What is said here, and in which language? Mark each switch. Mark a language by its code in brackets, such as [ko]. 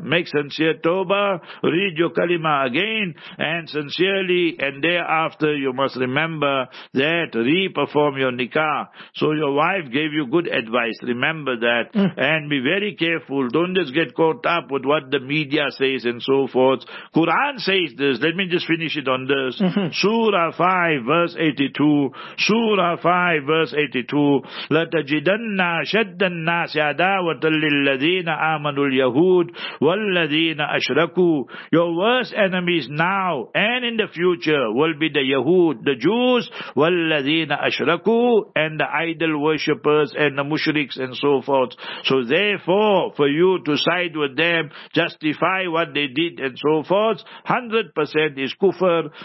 [en] Make sincere tawbah, read your kalima again, and sincerely, and thereafter you must remember that, re-perform your nikah. So your wife gave you good advice, remember that, and be very careful. Don't just get caught up with what the media says and so forth. Quran says this, let me just finish it on this. Surah 5 verse 82, [ar] Surah 5 verse 82, لَتَجِدَنَّا شَدَّ النَّاسِ عَدَاوَةً الَّذِينَ آمَنُوا الْيَهُودِ وَالَّذِينَ أَشْرَكُوا. [en] Your worst enemies now and in the future will be the Yahud, the Jews, [ar] وَالَّذِينَ أَشْرَكُوا, [en] and the idol worshippers and the mushriks and so forth. So therefore, for you to side with them, justify what they did and so forth, 100% is kufr.